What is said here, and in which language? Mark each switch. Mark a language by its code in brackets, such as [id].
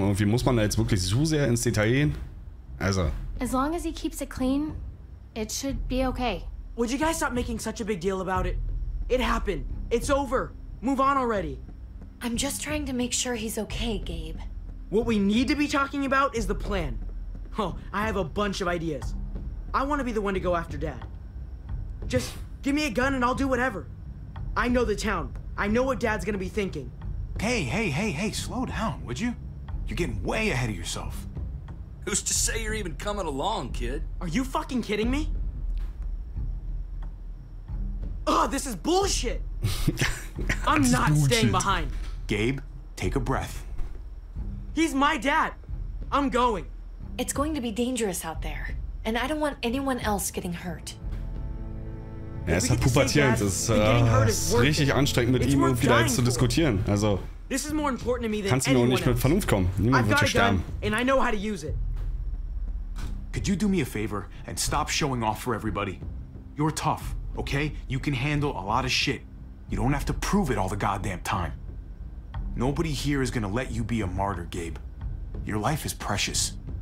[de] Irgendwie muss man da jetzt wirklich so sehr ins Detail gehen? Also. [en] As long as he keeps it clean, it should be okay. Would you guys stop making such a big deal about it? It happened. It's over. Move on already. I'm just trying to make sure he's okay, Gabe. What we need to be talking about is the plan. Oh, I have a bunch of ideas. I want to be the one to go after Dad. Just give me a gun and I'll do whatever. I know the town. I know what Dad's gonna be thinking. Hey, slow down, would you? You're getting way ahead of yourself. Who's to say you're even coming along, kid? Are you fucking kidding me? Ugh, this is bullshit! I'm not bullshit. Staying behind. Gabe, take a breath. He's my dad. I'm going. It's going to be dangerous out there. And I don't want anyone else getting hurt. [de] Ja, es ist halt pubertierend. Es ist richtig anstrengend, mit ihm irgendwie da jetzt zu diskutieren. Also, kannst du mir auch nicht mit Vernunft kommen. Niemand wird hier sterben. [en] And I know how to use it. Could you do me a favor and stop showing off for everybody? You're tough, okay? You can handle a lot of shit. You don't have to prove it all the goddamn time. Nobody here is gonna let you be a martyr, Gabe. Your life is precious.